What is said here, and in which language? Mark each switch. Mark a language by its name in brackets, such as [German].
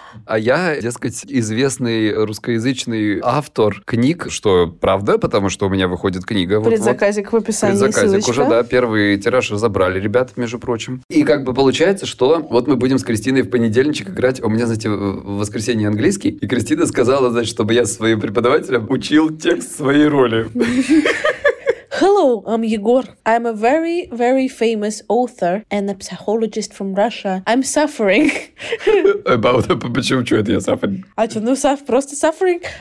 [Russian] А я, дескать, известный русскоязычный автор книг, что правда, потому что у меня выходит книга. Предзаказик вот-вот. В описании, предзаказик ссылочка. Уже, да, первый тираж разобрали, ребят, между прочим. И как бы получается, что вот мы будем с Кристиной в понедельничек играть. У меня, знаете, в воскресенье английский. И Кристина сказала, значит, чтобы я своим преподавателем учил текст своей роли. [English] Hello, I'm Егор. I'm a very, very famous author and a psychologist from Russia. I'm suffering. [Russian] About почему что это я suffering? А что, ну просто suffering?